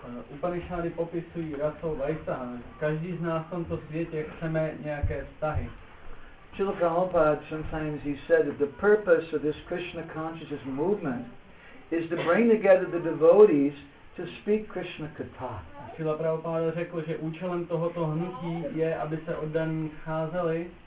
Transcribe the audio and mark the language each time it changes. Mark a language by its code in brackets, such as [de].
[cs] Upanishady popisují raso vaisaha. Každý z nás v tomto světě chceme nějaké vztahy. [en] Srila Prabhupada, sometimes he said that the purpose of this Krishna consciousness movement is to bring together the devotees to speak Krishna katha. [cs] Srila Prabhupada řekl, že účelem tohoto hnutí je, aby se oddaní scházeli